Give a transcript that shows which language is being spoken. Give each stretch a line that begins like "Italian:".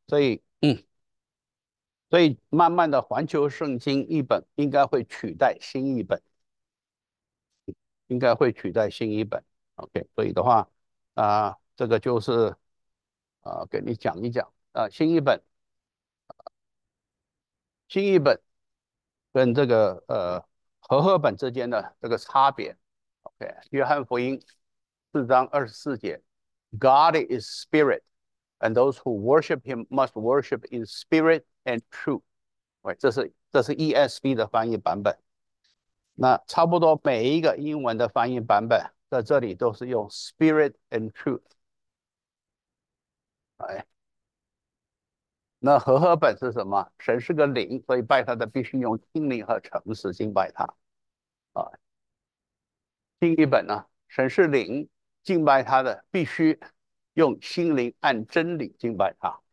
Chinese: 所以慢慢的，环球圣经译本应该会取代新译本，应该会取代新译本。 OK，所以的话，这个就是，给你讲一讲新译本跟这个和合本之间的这个差别。
English: OK，
Chinese: 约翰福音4章24节，
English: God is spirit, and those who worship him must worship in spirit and truth。
Chinese: 这是 ESV 的翻译版本。那差不多每一个英文的翻译版本。在这里都是用
English: spirit and truth，
Chinese: 哎，那和合本是什么？神是个灵，所以拜他的必须用心灵和诚实敬拜他，新译本呢，神是灵，敬拜他的必须用心灵按真理敬拜他。